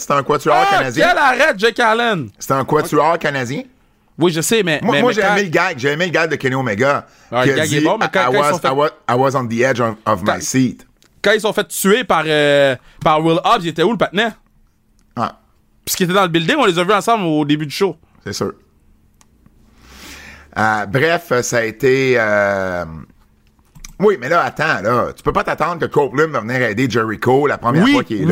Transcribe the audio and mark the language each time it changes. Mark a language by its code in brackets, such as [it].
[fr] C'était un quatuor canadien. Quel arrêt, Jake Allen! C'était un quatuor canadien? Oui, je sais, mais... J'ai aimé le gag de Kenny Omega. Ouais, le gag dit, est bon, mais [en] I was on the edge of my seat. [fr] Quand ils sont fait tuer par Will Hobbs, ils étaient où, le patinet? Ah. Puis qu'ils étaient dans le building, on les a vus ensemble au début du show. C'est sûr. Bref, ça a été... Oui, mais là, attends, là, tu peux pas t'attendre que Copeland va venir aider Jericho la première fois qu'il est là.